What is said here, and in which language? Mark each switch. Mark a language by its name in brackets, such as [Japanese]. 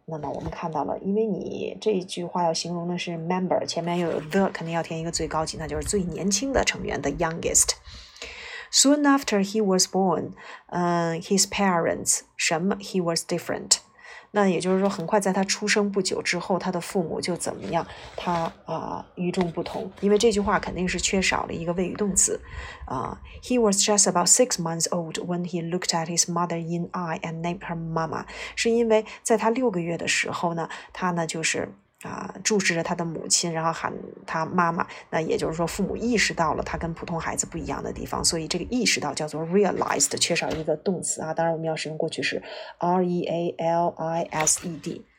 [Chinese] 那么我们看到了，因为你这一句话要形容的是 member, 前面又有 the, 肯定要填一个最高级，那就是最年轻的成员 [English] the youngest。 Soon after he was born, his parents, 什么 he was different. [Chinese] 那也就是说很快在他出生不久之后，他的父母就怎么样，他与众不同。因为这句话肯定是缺少了一个谓语动词。 [English] He was just about 6 months old when he looked at his mother in eye and named her mama. [Chinese] 是因为在他6个月的时候呢，他呢就是注视着他的母亲，然后喊他妈妈，那也就是说父母意识到了他跟普通孩子不一样的地方，所以这个意识到叫做 realized, 缺少一个动词当然我们要使用过去式 realized。